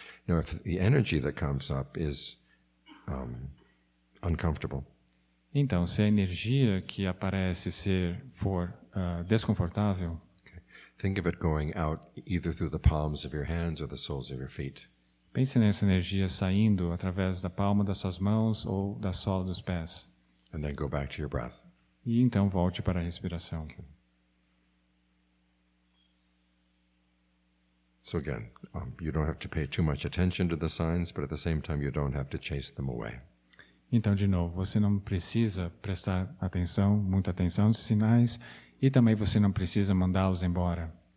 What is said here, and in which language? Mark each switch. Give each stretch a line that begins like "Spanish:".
English: Now, if the energy that comes up is uncomfortable.
Portuguese: Então, se a energia que aparece for desconfortável,
English: okay. Think of it going out either through the palms of your hands or the soles of your feet.
Portuguese: Pense nessa energia saindo através da palma das suas mãos ou da sola dos pés.
English: And then go back to your breath.
Portuguese: E então volte para a respiração. Okay.
English: So again, you don't have to pay too much attention to the signs, but at the same time you don't have to chase them away.
Portuguese: Então, de novo, você não precisa prestar atenção, muita atenção aos sinais, e também você não precisa mandá-los embora.